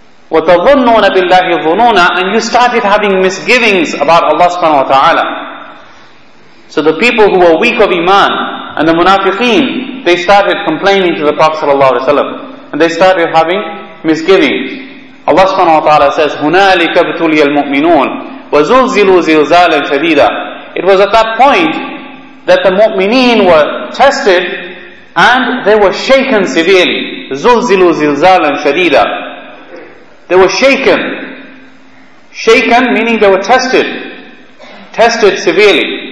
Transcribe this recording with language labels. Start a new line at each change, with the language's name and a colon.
Arabic: وَتَظُنُّونَ بِاللَّهِ الظُّنُونَ,
English: and you started having misgivings about Allah subhanahu wa ta'ala. So the people who were weak of Iman and the munafiqeen, they started complaining to the Prophet sallallahu alaihi wasallam, and they started having misgiving. Allah subhanahu wa ta'ala says,
Arabic: هُنَالِكَ بْتُولِيَ الْمُؤْمِنُونَ وَزُلْزِلُوا زِلْزَالًا شَدِيدًا.
English: It was at that point that the mu'mineen were tested and they were shaken severely.
Arabic: زُلْزِلُوا زِلْزَالًا شَدِيدًا.
English: They were shaken. Shaken meaning they were tested. Tested severely.